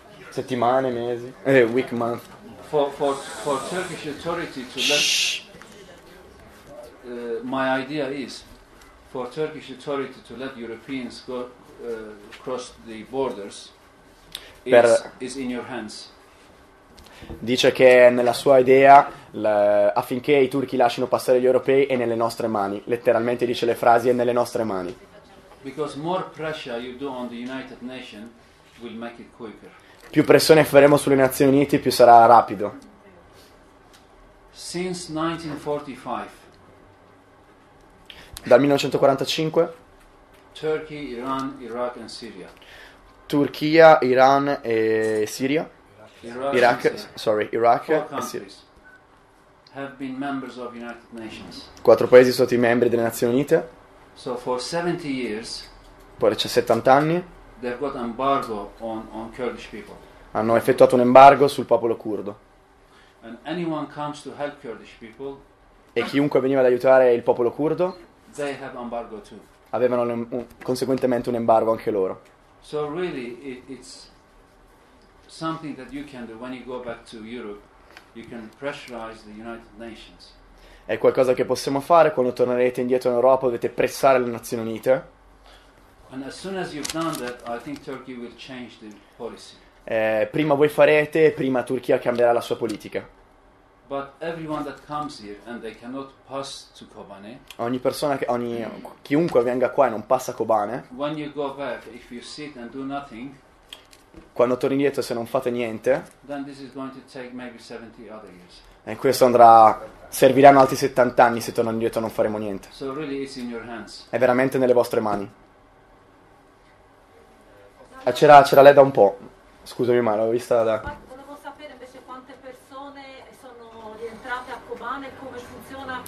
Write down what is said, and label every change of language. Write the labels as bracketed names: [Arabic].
[Italian] settimane, mesi, [English] week, month. For Turkish authority to let. My idea is, for Turkish authority to let Europeans go cross the borders, is in your hands. [Italian] Dice che nella sua idea affinché i turchi lasciano passare gli europei è nelle nostre mani. Letteralmente dice le frasi è nelle nostre mani. [English] Because more pressure you do on the United Nations will make it quicker. [Italian] Più pressione faremo sulle Nazioni Unite, più sarà rapido. [English] Since 1945. [Italian] Dal 1945. [English] Turkey, Iran, Iraq and Syria. [Italian] Turchia, Iran e Siria. [English] Iraq, sorry, Iraq. Four countries have been members of United Nations. [Italian] Quattro paesi sono stati membri delle Nazioni Unite. [English] So for 70 years. [Italian] Poi c'è 70 anni. [English] They've got embargo on Kurdish people. [Italian] Hanno effettuato un embargo sul popolo curdo. [English] And anyone comes to help Kurdish people. [Italian] E chiunque veniva ad aiutare il popolo curdo. [English] They have embargo too. [Italian] Avevano conseguentemente un embargo anche loro. [English] So really it's something that you can do when you go back to Europe. You can pressurize the United Nations. [Italian] È qualcosa che possiamo fare quando tornerete indietro in Europa, dovete pressare le Nazioni Unite. [English] And as soon as you've done that, I think Turkey will change the policy. [Italian] Prima voi farete, prima Turchia cambierà la sua politica. [English] But everyone that comes here and they cannot pass to Kobane. [Italian] Ogni persona che chiunque venga qua e non passa Kobane. [English] When you go back, if you sit and do nothing. [Italian] Quando torni indietro se non fate niente. [English] Then this is going to take maybe 70 other years. [Italian] E questo andrà, serviranno altri 70 anni se tornano indietro non faremo niente. [English] So really it's in your hands. [Italian] È veramente nelle vostre mani. C'era lei da un po'. Scusami ma l'ho vista da. Volevo sapere invece quante persone sono rientrate a Kobane e come funziona.